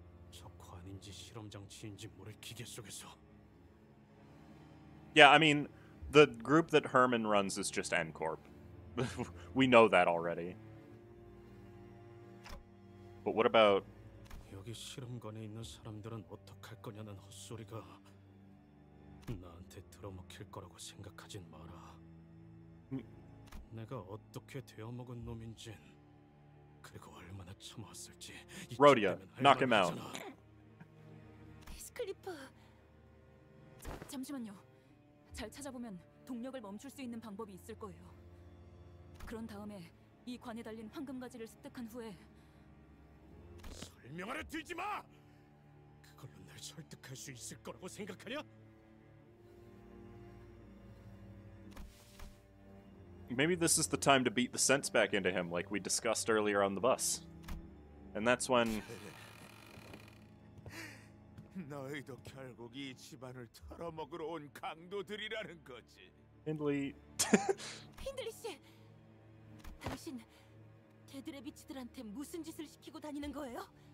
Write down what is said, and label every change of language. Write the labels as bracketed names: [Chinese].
[Korean] 적관인지 실험 장치인지 모를 기계 속에서. [English] Yeah, I mean, the group that Herman runs is just N-Corp. We know that already. But what about... [Korean] 여기 실험관에 있는 사람들은 어떡할 거냐는 헛소리가 나한테 들어먹힐 거라고 생각하진 마라. 내가 어떻게 되어먹은 놈인진 그리고 얼마나 참았을지. [English] Rodia, knock him out. [Korean] 히스클리프. 잠시만요. 잘 찾아보면 동력을 멈출 수 있는 방법이 있을 거예요. 그런 다음에 이 관에 달린 황금 가지를 습득한 후에 명하려 들지 마. 그걸로 날 설득할 수 있을 거라고 생각하냐? [English] Maybe this is the time to beat the sense back into him like we discussed earlier on the bus. And that's when [Korean] 너희도 결국 이 집안을 털어먹으러 온 강도들이라는 거지. Hindley. Hindley 씨. 당신 걔들의 미치들한테 무슨 짓을 시키고 다니는 거예요?